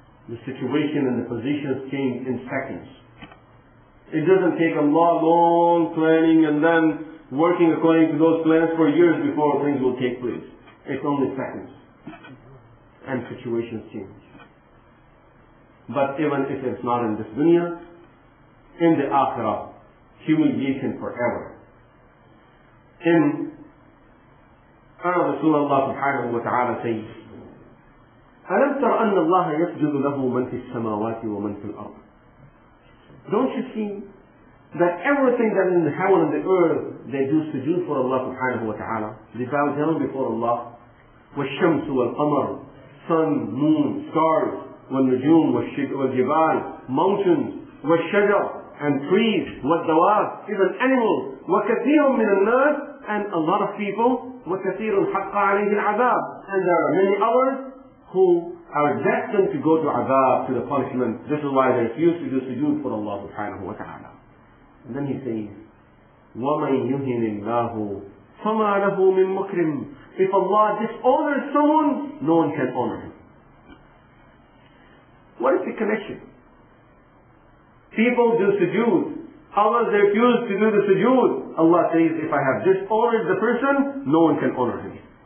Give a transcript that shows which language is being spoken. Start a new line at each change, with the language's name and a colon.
English: The situation and the positions change in seconds. It doesn't take Allah long planning and then working according to those plans for years before things will take place. It's only seconds. And situations change. But even if it's not in this dunya, in the Akhirah, humiliation forever.
Arabic: In رسول الله سبحانه وتعالى سيد ألم تر أن الله يسجد له من في السماوات ومن في الأرض.
English: Don't you see that everything that in heaven and the earth they do sujood for Allah
Arabic: سبحانه وتعالى,
English: they bow down before Allah.
Arabic: والشمس والقمر,
English: sun, moon, stars,
Arabic: والنجوم والجبال,
English: mountains,
Arabic: والشجر
English: and trees,
Arabic: والدواب,
English: even animals,
Arabic: وكثير من الناس,
English: and a lot of people,
Arabic: وكثير حق عليه العذاب,
English: and there are many others who are destined to go to عذاب, to the punishment. This is why they refuse to do sujood for Allah
Arabic: سبحانه وتعالى.
English: And then he says,
Arabic: وَمَنْ يُهِنِ اللَّهُ فَمَا لَهُ مِنْ مُكْرِمٍ.
English: If Allah dishonors someone, no one can honor him. What is the connection? People do sujood. Allah refuse to do the sujood. Allah says, if I have dishonored the person, no one can honor him.